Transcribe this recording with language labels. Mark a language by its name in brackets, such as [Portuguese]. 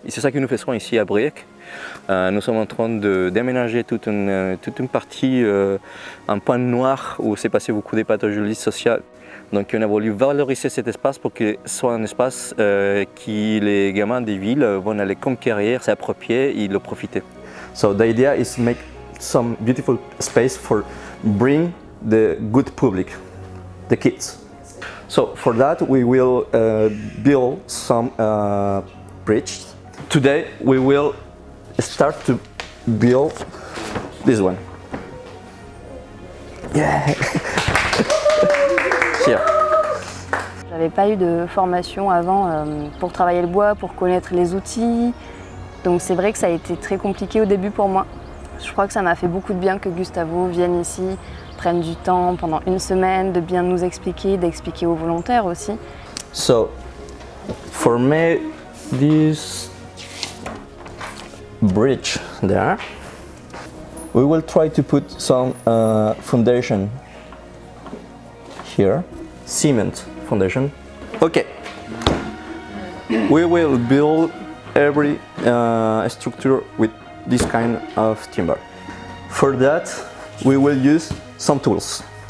[French] C'est ça que nous faisons ici à Briec. Nous sommes en train d'aménager toute une partie en point noir où s'est passé beaucoup de pathologies sociales. Donc on a voulu valoriser cet espace pour qu'il soit un espace que les gamins des villes vont aller conquérir, s'approprier et le profiter. [English] So the idea is to make some beautiful space for bring the good public, the kids. So for that we will build some bridge. Today we will start to build this one. Yeah. Here. [French] J'avais pas eu de formation avant pour travailler le bois, pour connaître les outils. Donc c'est vrai que ça a été très compliqué au début pour moi. Je crois que ça m'a fait beaucoup de bien que Gustavo vienne ici, prenne du temps pendant une semaine de bien nous expliquer, d'expliquer aux volontaires aussi. [English] So for me this bridge there, we will try to put some foundation here, cement foundation. Okay, we will build every structure with this kind of timber. For that we will use some tools.